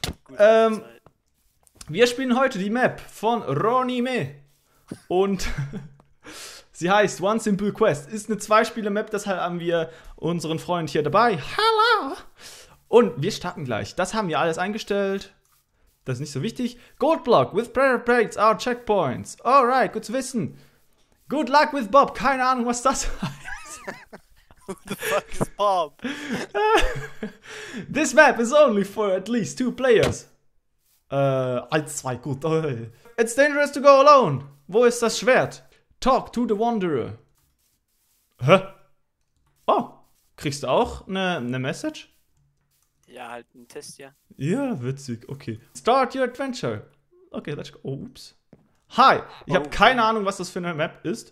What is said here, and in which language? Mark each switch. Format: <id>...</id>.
<de>wir spielen heute die Map von Ronime. Und sie heißt One Simple Quest. Ist eine Zwei-Spiele-Map, deshalb haben wir unseren Freund hier dabei. Hallo! Und wir starten gleich. Das haben wir alles eingestellt. Das ist nicht so wichtig.</de> <en>Gold Block with Predator Plates are Checkpoints.</en> <de>Alright, gut zu wissen.</de> <en>Good luck with Bob.</en> <de>Keine Ahnung, was das heißt.</de> <en>What the fuck is Bob? This map is only for at least two players.</en> <de>Eins, zwei, gut.</de> <en>It's dangerous to go alone.</en> <de>Wo ist das Schwert?</de> <en>Talk to the Wanderer.</en> <de>Hä? Oh, kriegst du auch eine Message? Ja, halt ein Test, ja. Ja, witzig,</de> <en>okay. Start your adventure. Okay, let's go. Oh, ups.</en> <de>Hi, ich habe keine Ahnung, was das für eine Map ist.</de>